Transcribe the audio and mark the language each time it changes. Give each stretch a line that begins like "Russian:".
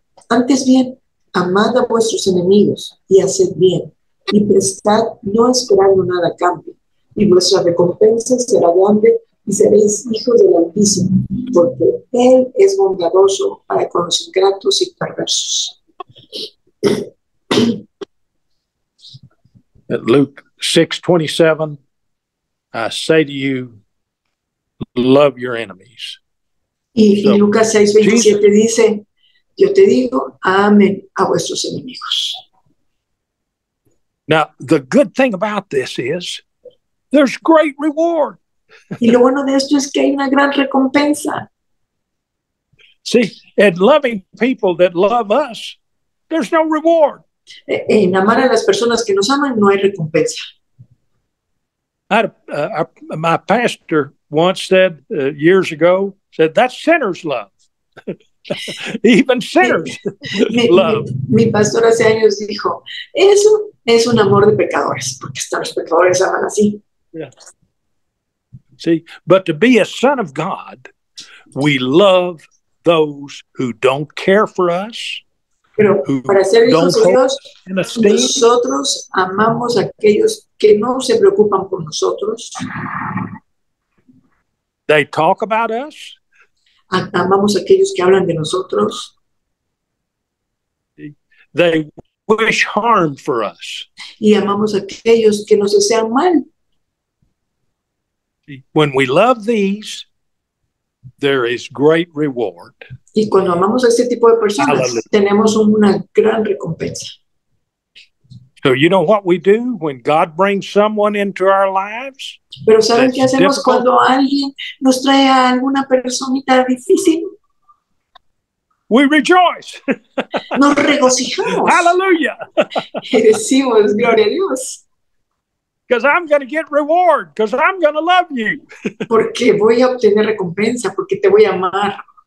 Spanish: Antes bien, amad a vuestros enemigos y haced bien, y prestad no esperando nada a cambio, y vuestra recompensa será grande y seréis hijos del Altísimo, porque Él es bondadoso para con los ingratos y perversos.
English: At Luke 6:27, I say to you, love your enemies.
Spanish: Y Lucas 6:27 dice, yo te digo, amen a vuestros enemigos.
English: Now, the good thing about this is, there's great reward.
Spanish: Y lo bueno de esto es que hay una gran recompensa.
English: See, and loving people that love us, there's no reward.
Spanish: En amar a las personas que nos aman, no hay recompensa.
English: My pastor once said, years ago, said, that's sinner's love. Even sinners love.
Spanish: Mi pastor hace años dijo, eso es un amor de pecadores, porque hasta los pecadores aman así.
English: Yeah. See, but to be a son of God, we love those who don't care for us.
Spanish: Pero para ser hijos de Dios, nosotros amamos a aquellos que no se preocupan por nosotros.
English: They talk about us.
Spanish: Amamos a aquellos que hablan de nosotros.
English: They wish harm for us.
Spanish: Y amamos a aquellos que nos desean mal.
English: When we love these, there is great reward.
Spanish: Y cuando amamos a este tipo de personas, hallelujah, tenemos una gran recompensa.
English: So you know what we do when God brings someone into our lives?
Spanish: Pero ¿saben qué hacemos
English: difficult?
Spanish: Cuando alguien nos trae a alguna personita difícil?
English: We rejoice.
Spanish: Nos regocijamos.
English: Hallelujah.
Spanish: Y decimos, gloria a Dios.
English: Because I'm going to get reward, because I'm going to love you.
Spanish: Porque voy a obtener recompensa, porque te voy a amar.